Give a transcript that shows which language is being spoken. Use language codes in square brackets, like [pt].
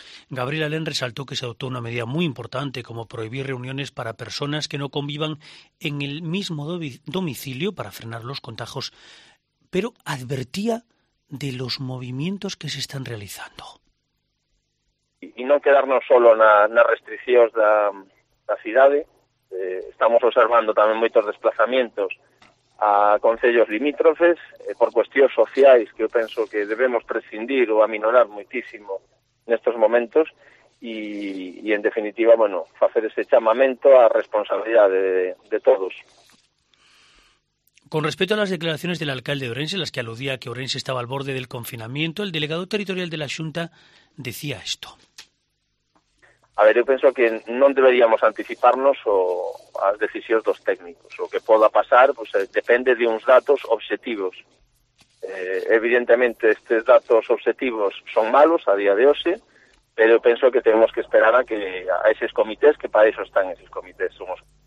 [es] Gabriel Alén resaltó que se adoptó una medida muy importante como prohibir reuniones para personas que no convivan en el mismo domicilio para frenar los contagios, pero advertía de los movimientos que se están realizando. [gl] Y no quedarnos solo nas restriccións da cidade. Estamos observando tamén moitos desplazamientos a concellos limítrofes, por cuestións sociais que eu penso que debemos prescindir ou aminorar moitísimo nestes momentos e en definitiva, bueno, facer ese chamamento á responsabilidade de todos. [es] Con respecto a las declaraciones del alcalde de Ourense, las que aludía que Ourense estaba al borde del confinamiento, el delegado territorial de la Xunta decía esto. [gl] A ver, eu penso que non deberíamos anticiparnos ás decisións dos técnicos. O que poda pasar pues, depende de uns datos objetivos. Evidentemente, estes datos objetivos son malos a día de hoxe, pero eu penso que temos que esperar a eses comités, que para iso están eses comités. Somos...